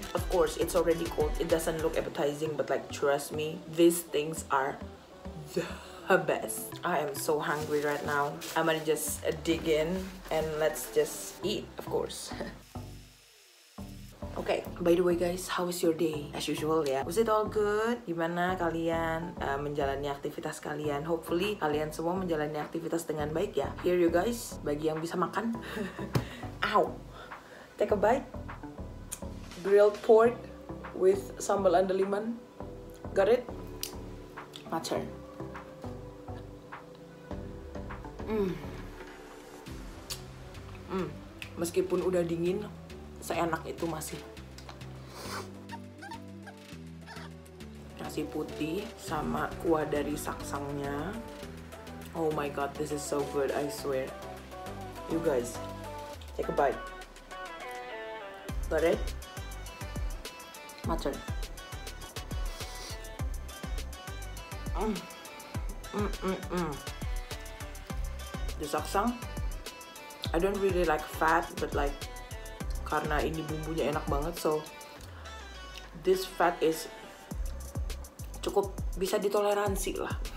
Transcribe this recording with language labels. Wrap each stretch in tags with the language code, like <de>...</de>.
<en>Of course, it's already cold. It doesn't look appetizing, but like trust me, these things are the best. I am so hungry right now. I'm gonna just dig in and let's just eat, of course. Okay, by the way guys, how was your day? As usual ya, was it all good?</en> <id>Gimana kalian menjalani aktivitas kalian?</id> <en>Hopefully</en> <id>kalian semua menjalani aktivitas dengan baik ya.</id> <en>Here you guys,</en> <id>bagi yang bisa makan.</id> <en>Ow! Take a bite. Grilled pork with sambal andaliman. Got it? My turn.</en> <id>Meskipun udah dingin, seenak itu masih. Nasi putih sama kuah dari saksangnya.</id> <en>Oh my god, this is so good, I swear. You guys, take a bite. Got it? My turn. The saksang, I don't really like fat, but like</en> <id>karena ini bumbunya enak banget,</id> <en>so this fat is</en> <id>cukup bisa ditoleransi lah.</id>